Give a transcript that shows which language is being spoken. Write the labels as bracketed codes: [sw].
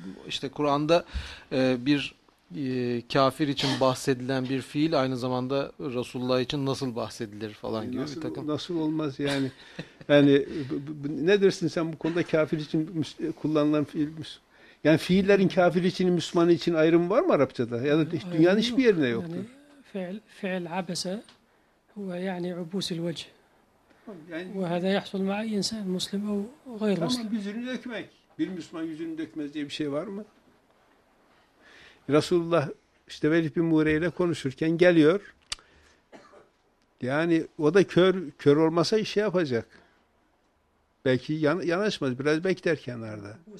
[tr] işte Kur'an'da bir kafir için bahsedilen bir fiil aynı zamanda Resulullah için nasıl bahsedilir falan gibi nasıl, bir takım. Nasıl olmaz yani? Yani ne dersin sen bu konuda kafir için kullanılan fiil mi? Yani fiillerin kafir için, Müslüman için ayrımı var mı Arapçada? Ya da dünyanın hiçbir yerinde yoktur. Yani fiil abese ve yani ubusil vecih. [ar] Yani, وهذا يحصل مع أي إنسان مسلم أو غير [tr] tamam, [ar] مسلم. [tr] Yüzünü dökmek. Bir Müslüman yüzünü dökmez diye bir şey var mı? Resulullah işte Velid bin Mure ile konuşurken geliyor. Yani o da kör olmasa işi yapacak. Belki yanaşmaz biraz bekler kenarda.